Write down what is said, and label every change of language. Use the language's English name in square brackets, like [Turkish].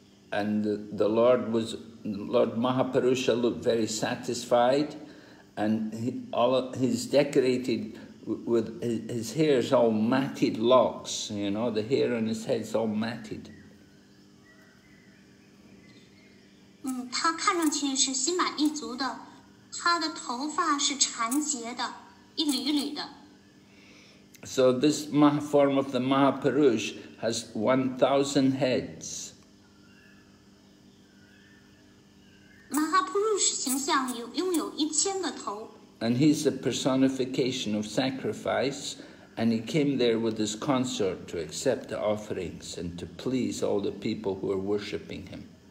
[English] And the Lord Mahapurusha looked very satisfied, and he's decorated with his hair's all matted locks, you know, the hair on his head's all matted. [Chinese] 他看上去是心满意足的，他的头发是缠结的，一缕一缕的。 [English] So this form of the Mahapurush has 1,000 heads. [Chinese] Mahapurush 形象拥有一千个头。 [English] And he's the personification of sacrifice, and he came there with his consort to accept the offerings and to please all the people who are worshipping him.